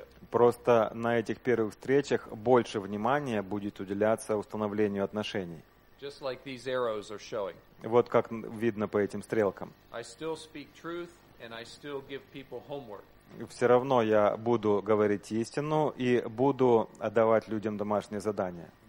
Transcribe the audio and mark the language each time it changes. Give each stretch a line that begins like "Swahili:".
Russian: Просто на этих первых встречах больше внимания будет уделяться установлению отношений.
English: Just like these arrows are showing.
Russian: Вот как видно по этим стрелкам.
English: I still speak truth and I still give people homework.
Russian: Все равно я буду говорить истину и буду отдавать людям домашние задания.